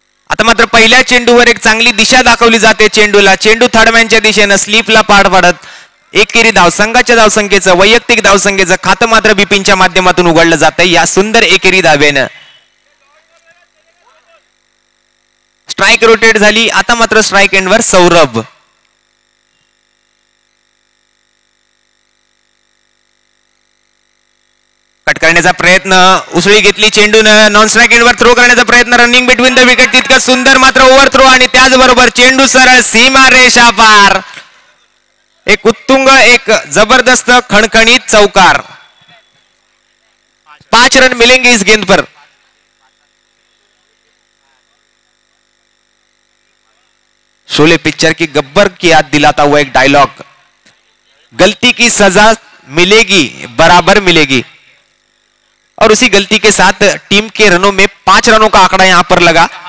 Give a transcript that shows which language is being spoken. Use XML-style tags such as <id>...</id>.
<mr>आता मात्र पहिल्या चेंडूवर एक चांगली दिशा दाखवली जाते चेंडूला, चेंडू थर्डमॅनच्या दिशेनं स्लीपला पाठ पाडत एकेरी धाव, संघाच्या धावसंख्येचं, वैयक्तिक धावसंख्येचं खातं मात्र बिपिनच्या माध्यमातून उघडलं जातंय या सुंदर एकेरी धावेनं। स्ट्राइक रोटेट झाली, आता मात्र स्ट्राइक एंड वर सौरभ। कट करण्याचा प्रयत्न, उसळी घेतली चेंडून, नॉन स्ट्राइक एंड वर थ्रो करण्याचा प्रयत्न,</mr> <en>running between the wicket,</en> <mr>तितका सुंदर मात्र ओव्हर थ्रो आणि त्याचबरोबर चेंडू सरळ सीमा रेषा पार, एक उत्तुंग, एक जबरदस्त खणखणीत चौकार,</mr> <hi>5 रन मिलेंगे इस गेंद पर। शोले पिक्चर की गब्बर की याद दिलाता हुआ एक डायलॉग, गलती की सजा मिलेगी बराबर मिलेगी। और उसी गलती के साथ टीम के रनों में 5 रनों का आंकड़ा यहां पर लगा।</hi>